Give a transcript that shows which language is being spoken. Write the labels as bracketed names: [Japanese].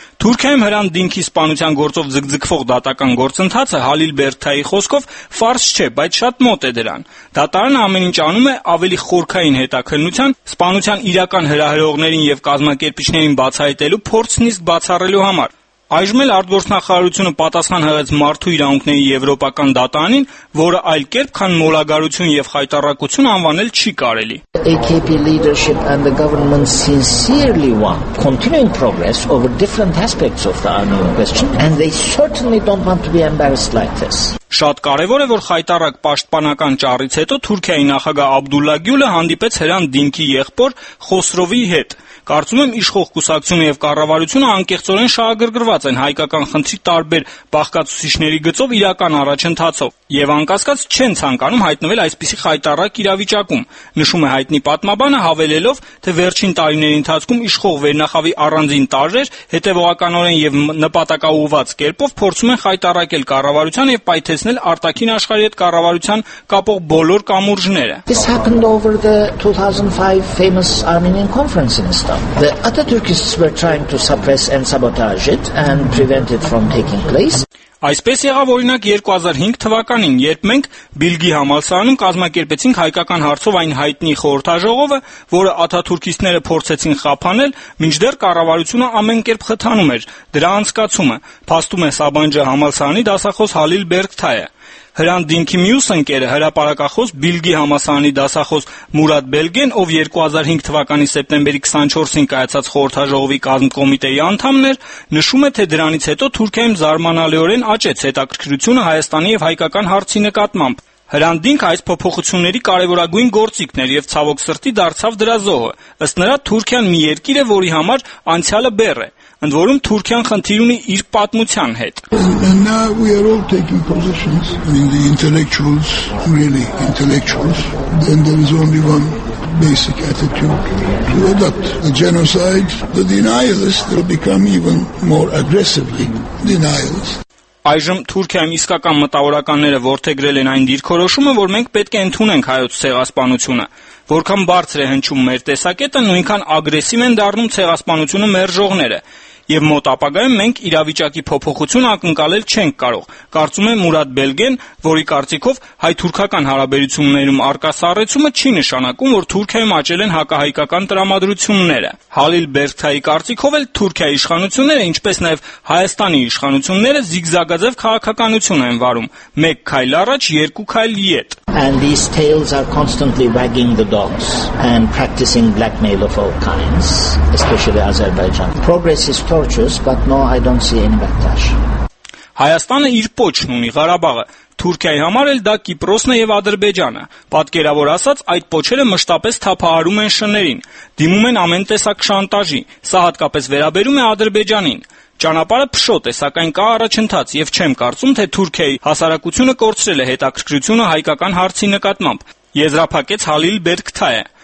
[Armenian] Թուրքիայում Հրանտ Դինքի սպանության գործով ձգձգվող դատական գործընթացը Հալիլ Բերգթայի խոսքով ֆարս չէ, բայց շատ մոտ է դրան։ Դատարանը ամեն ինչ անում է ավելի խորքային հետաքննության, սպանության իրական հրահրողներին և կազմակերպիչներին բացահայտելու փորձն իսկ բացառելու համար։ Այժմ էլ արտգործնախարարությունը պատասխան հղեց մարդու իրավունքների եվրոպական դատանին, որը այլ կերպ քան մոլագարություն եւ խայտառակություն անվանել չի կարելի։ [English] AKP leadership and the government sincerely want continuing progress over different aspects of the Armenian question and they certainly don't want to be embarrassed like this. [Armenian] Շատ կարևոր է, որ խայտառակ պաշտպանական ճառից հետո Թուրքիայի նախագահ Աբդուլլա Գյուլը հանդիպեց Հրանտ Դինքի եղբոր Խոսրովի հետ։ Կարծում եմ, իշխող կուսակցությունը եւ կառավարությունը անկեղծորեն շահագրգռված են հայկական խնդրի տարբեր բաղկացուցիչների գծով իրական առաջընթացով եւ անկասկած չեն ցանկանում հայտնվել այսպիսի խայտառակ իրավիճակում, նշում է հայտնի պատմաբանը, հավելելով, թե վերջին տարիների ընթացքում իշխող վերնախավի առանձին տարժեր հետևողականորեն եւ նպատակաուղված կերպով փորձում են խայտառակել կառավարության եւ պայթեցնել արտաքին աշխարհի հետ կառավարության կապող բոլոր կամուրջները։ [English] This happened over the 2005 famous Armenian conference. The Ataturkists were trying to suppress and sabotage it and prevent it from taking place. [Armenian] Այսպես եղավ, օրինակ 2005 թվականին, երբ մենք Բիլգի համալսարանում կազմակերպեցինք հայկական հարցով այն հայտնի խորհրդաժողովը, որը աթաթուրքիստները փորձեցին խափանել, մինչդեռ կառավարությունը ամենքերպ խթանում էր դրա անցկացումը, փաստում է Սաբանջի համալսարանի դասախոս Հալիլ Բերգթայը։ Հրանտ Դինքի մյուս ընկերը հրապարակախոս Բիլգի համալսարանի դասախոս Մուրադ Բելգեն, ով 2005 թվականի սեպտեմբերի 24-ին կայացած խորհրդաժողովի կազմակոմիտեի անդամն էր, նշում է, թե դրանից հետո Թուրքիայում զարմանալիորեն աճեց հետաքրքրությունը Հայաստանի եւ հայկական հարցի նկատմամբ։ Հրանտ Դինքը այս փոփոխությունների կարևորագույն գործիքն էր եւ ցավոք սրտի դարձավ դրա զոհը, ըստ նրա Թուրքիան մի երկիր է, որի համար անցյալը բեռ է, ընդ որում Թուրքիան խնդիր ունի իր պատմության հետ։ [English] And now we are all taking positions. I mean the intellectuals, really intellectuals, then there is only one basic attitude to adopt. The genocide, the denialists will become even more aggressively denialists. [Armenian] Այժմ Թուրքիայում իսկական մտավորականները որդեգրել են այն դիրքորոշումը, որ մենք պետք է ընդունենք հայոց ցեղասպանությունը, Որքան բարձր է հնչում մեր տեսակետը, նույնքան ագրեսիվ են դառնում ցեղասպանությունը մեր ժողները։ Եվ մոտ ապագայում մենք իրավիճակի փոփոխություն ակնկալել չենք կարող, կարծում է Մուրադ Բելգեն, որի կարծիքով հայ-թուրքական հարաբերություններում արկա սառեցումը չի նշանակում, որ Թուրքիայում աճել են հակահայկական տրամադրությունները։ Հալիլ Բերգթայի կարծիքով էլ Թուրքիայի իշխանությունները, ինչպես նաև Հայաստանի իշխանությունները զիգզագաձև քաղաքականություն են վարում՝ մեկ քայլ առաջ, երկու քայլ ետ։ [English] And these tails are constantly wagging the dogs and practicing blackmail of all kinds, especially Azerbaijan. Progress is torturous, but no, I don't see any backlash. [Armenian] Հայաստանը իր պոչն ունի Ղարաբաղը, Թուրքիայի համար էլ դա Կիպրոսն է եւ Ադրբեջանը։ Պատկերավոր ասած, այդ պոչերը մշտապես թափահարում են շներին, դիմում են ամեն տեսակ շանտաժի, սա հատկապես վերաբերում է Ադրբեջանին։ Ճանապարհը փշոտ է, սակայն կա առաջընթաց, եւ չեմ կարծում, թե Թուրքիայի հասարակությունը կորցրել է հետաքրքրությունը հայկական հարցի նկատմամբ, եզրափակեց Հալիլ Բերգթայը։